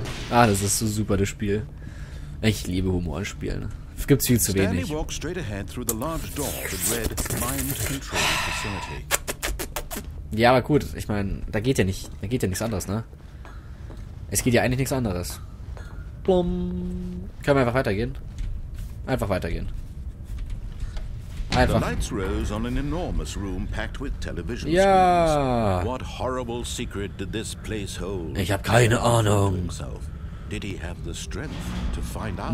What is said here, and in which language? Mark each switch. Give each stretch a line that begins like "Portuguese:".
German: Ah, das ist so super, das Spiel. Ich liebe Humor in Spielen. Es gibt viel zu wenig.
English: Stanley walked straight ahead through the large door that read Mind Control Facility.
German: Ja, aber gut. Ich meine, da geht ja nicht. Da geht ja nichts anderes, ne? Es geht ja eigentlich nichts anderes. Plum. Können wir einfach weitergehen?
English: The lights rose on an enormous room packed with television screens.
German: Ja.
English: What horrible secret did this place hold?
German: Ich habe keine Ahnung.
English: Did he have the strength to find out?